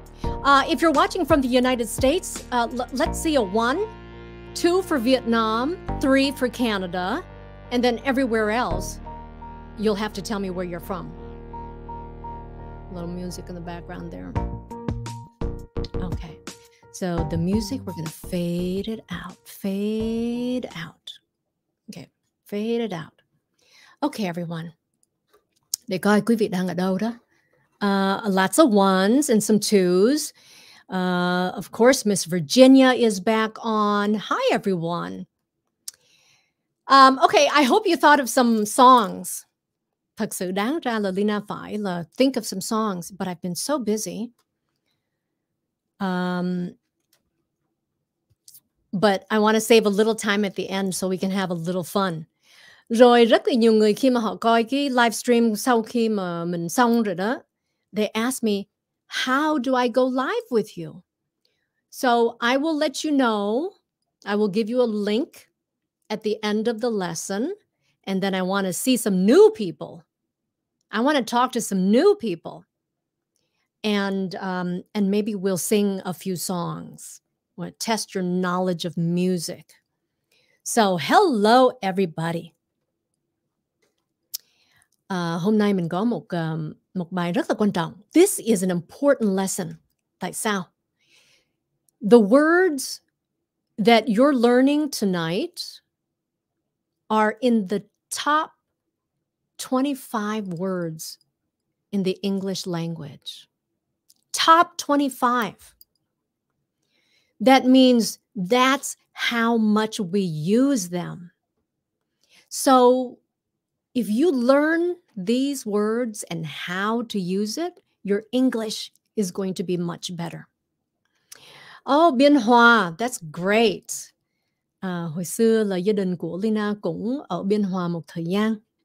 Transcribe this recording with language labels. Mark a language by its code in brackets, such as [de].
[en] If you're watching from the United States, let's see a 1, 2 for Vietnam, 3 for Canada, and then everywhere else, you'll have to tell me where you're from. A little music in the background there. Okay, so the music, we're gonna fade it out, fade out. Okay, fade it out. Okay, everyone. [vi] Để coi quý vị đang ở đâu đó. [en] Lots of ones and some twos. Of course, Miss Virginia is back on. Hi, everyone. Okay, I hope you thought of some songs. [vi] Thực sự đáng ra là Lina phải là [en] think of some songs, but I've been so busy. But I want to save a little time at the end so we can have a little fun. [vi] Rồi rất là nhiều người khi mà họ coi cái live stream sau khi mà mình xong rồi đó, [en] they ask me, how do I go live with you? So I will let you know. I will give you a link at the end of the lesson. And then I want to see some new people. I want to talk to some new people. And maybe we'll sing a few songs. We'll test your knowledge of music. So hello, everybody. [vi] Hôm nay mình có một bài rất là quan trọng. [en] This is an important lesson. [vi] Tại sao? [en] The words that you're learning tonight are in the top 25 words in the English language. Top 25. That means that's how much we use them. So if you learn these words and how to use it, your English is going to be much better. Oh, Biên Hòa, that's great. [vi] Hồi xưa là gia đình của Lina cũng ở Biên Hòa một thời gian.